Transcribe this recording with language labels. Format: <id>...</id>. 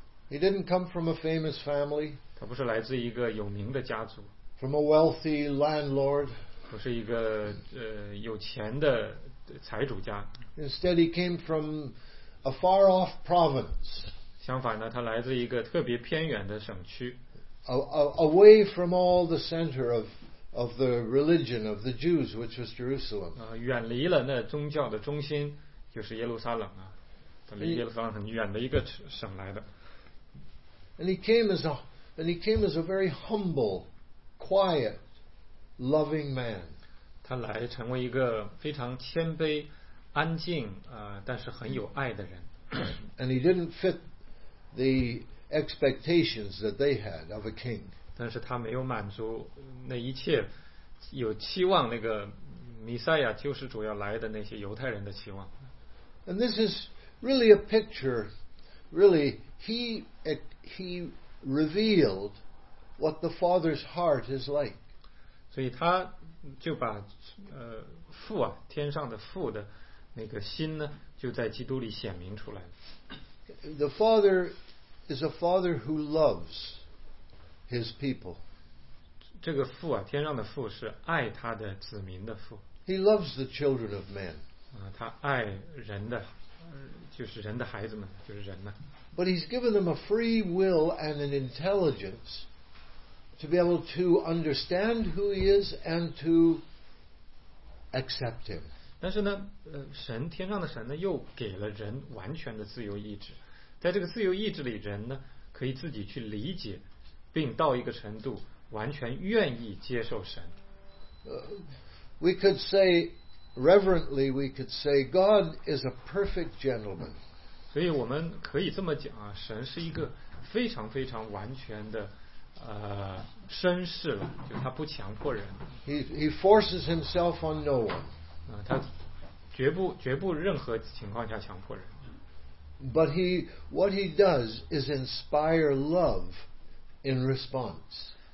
<en>He didn't come from a famous family.</en> <zh>他不是来自一个有名的家族。</zh> <en>From a wealthy landlord.</en> <zh>不是一个有钱的财主家。</zh> <en>Instead, he came from a far-off province.</en> <zh>相反呢，他来自一个特别偏远的省区。</zh> <en>Away from all the center of the religion of the Jews, which was Jerusalem.</en> <zh>远离了那宗教的中心，就是耶路撒冷啊，离耶路撒冷很远的一个省来的。</zh> <en>And he came as a very humble, quiet, loving man.</en> <zh>他来成为一个非常谦卑、安静啊，但是很有爱的人。</zh> <en>And he didn't fit the expectations that they had of a king.</en> <zh>但是他没有满足那一切有期望那个弥赛亚救世主要来的那些犹太人的期望。</zh> <en>And this is really a picture. Really, he revealed what the Father's heart is like.</en> <zh>所以他就把父啊，天上的父的那个心呢，就在基督里显明出来了。</zh> <en>The Father is a Father who loves His people.</en> <zh>这个父啊，天上的父是爱他的子民的父。</zh> <en>He loves the children of men.</en> <zh>他爱人的，就是人的孩子们，就是人呢。</zh> <en>But He's given them a free will and an intelligence to be able to understand who He is and to accept Him.</en> <zh>但是呢，神天上的神呢，又给了人完全的自由意志。在这个自由意志里，人呢可以自己去理解，并到一个程度完全愿意接受神。</zh> <en>We could say reverently, we could say God is a perfect gentleman.</en> <zh>所以我们可以这么讲啊，神是一个非常非常完全的绅士了，就他不强迫人。</zh> <en>He forces himself on no one.</en> <zh>他绝不任何情况下强迫人。</zh> <en>But what he does is inspire love in response.</en>